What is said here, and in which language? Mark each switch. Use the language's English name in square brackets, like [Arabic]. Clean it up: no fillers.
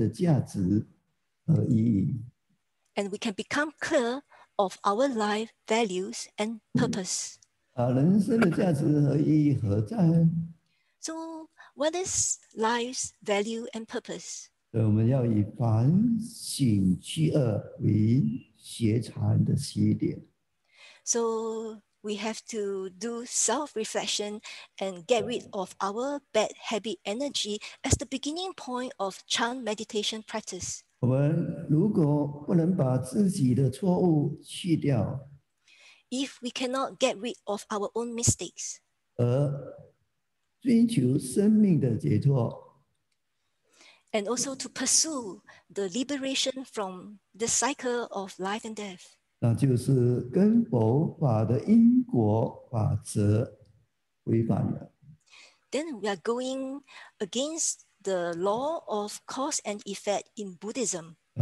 [Chinese] 同时也清楚了自己人生的价值和意义。 [English] And we can become clear of our life values and purpose. [Chinese] 人生的价值和意义何在? [English] So, what is life's value and purpose? [Chinese] 我们要以反省去恶为学禅的起点。 [English] So, we have to do self-reflection and get rid of our bad habit energy as the beginning point of Chan meditation practice. [Chinese] 我们如果不能把自己的错误去掉, [English] if we cannot get rid of our own mistakes. [Chinese] 而追求生命的解脱, [English] and also to pursue the liberation from the cycle of life and death. [Chinese] 那就是根佛法的因果法则违反了。 [English] Then we are going against the law of cause and effect in Buddhism.